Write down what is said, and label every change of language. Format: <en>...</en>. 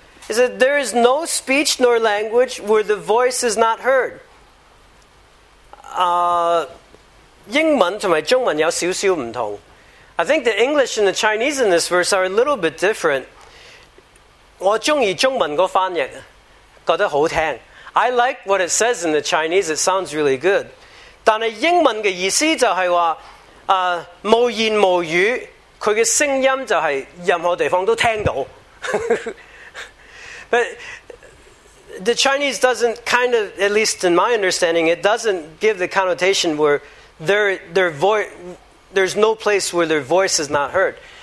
<en>He said, there is no speech nor language where the voice is not heard.</en> <zh>英文和中文有少少不同.</zh> <en>I think the English and the Chinese in this verse are a little bit different.</en> <zh>我喜欢中文的翻译,觉得好听.</zh> <en>I like what it says in the Chinese, it sounds really good.</en> <zh>但是英文的意思就是说, 无言无语,它的声音就是任何地方都听到.</zh> <en>But the Chinese doesn't kind of, at least in my understanding, it doesn't give the connotation where there's no place where their voice is not heard.</en>